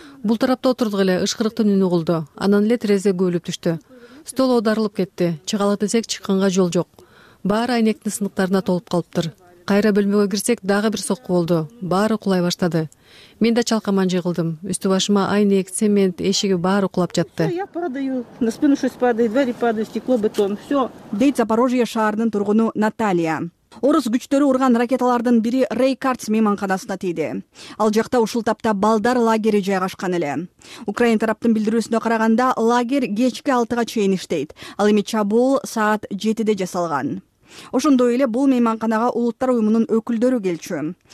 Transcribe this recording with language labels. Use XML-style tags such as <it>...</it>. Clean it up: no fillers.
<ky>Бул тарапта отурдук эле, ышкырыктын үнү угулду. Анан эле терезе көбүлүп түштү. Стол оодарылып кетти. Чыгалы десек чыкканга жол жок. Баары айнектин сыныктарына толуп калыптыр. Кайра бөлмөгө кирсек дагы бир сокку болду. Баары кулай баштады. Мен да чалкаман жыгылдым. Үстү башыма айнек, цемент, эшиги баары кулап жатты.</ky> <ru>Я продаю. На спину что-то падает, двери падают, стекло, бетон. Все.</ru> <ky>Дейт Запорожье шаарынын тургуну Наталья. Орус күчтөрү урган ракеталардын бири Рейкардс мейманканасына тийди. Ал жакта ушул тапта балдар лагери жайгашкан эле. Украин тараптын билдирүүсүнө караганда лагерь кечки 6:00 чейин иштейт. Ал эми чабуул саат 7:00 жасалган. Ошондой эле бул мейманканага Улуттар уюмунун өкүлдөрү келчү.</ky>